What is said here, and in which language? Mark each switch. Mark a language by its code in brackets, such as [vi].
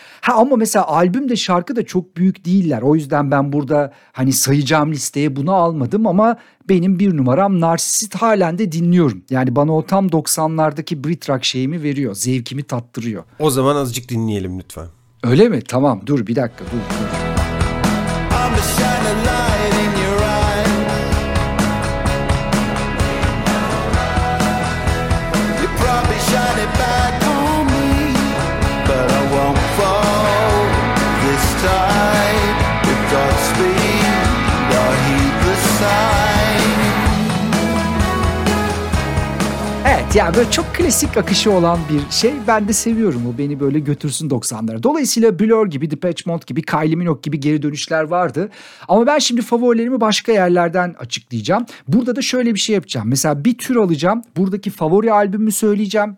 [tr] Ha ama mesela albüm de şarkı da çok büyük değiller. O yüzden ben burada hani sayacağım listeye bunu almadım ama benim bir numaram Narcissist halen de dinliyorum. Yani bana o tam 90'lardaki Brit Rock şeyimi veriyor, zevkimi tattırıyor. O zaman azıcık dinleyelim lütfen. Öyle mi? Tamam dur bir dakika dur. [en] I'm a shining light in your eye. You probably shine it back on me, but I won't fall this time. If God's speed, I'll heed the sign. [tr] Evet, yani böyle çok klasik akışı olan bir şey. Ben de seviyorum. O beni böyle götürsün 90'lara. Dolayısıyla Blur gibi, Depeche Mode gibi, Kylie Minogue gibi geri dönüşler vardı. Ama ben şimdi favorilerimi başka yerlerden açıklayacağım. Burada da şöyle bir şey yapacağım. Mesela bir tür alacağım. Buradaki favori albümümü söyleyeceğim.